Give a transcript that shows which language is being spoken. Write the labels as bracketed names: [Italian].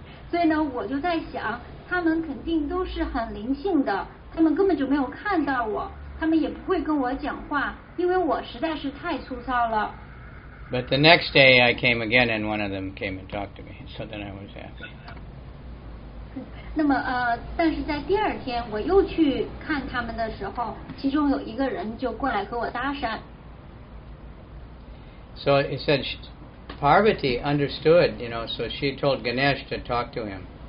[Chinese] 所以呢，我就在想，他们肯定都是很灵性的，他们根本就没有看到我。 [English] But the next day I came again and one of them came and talked to me. So then I was happy. [Chinese] 那么但是在第二天我又去看他们的时候，其中有一个人就过来和我搭讪。 [English] So he said Parvati understood, you know, so she told Ganesh to talk to him.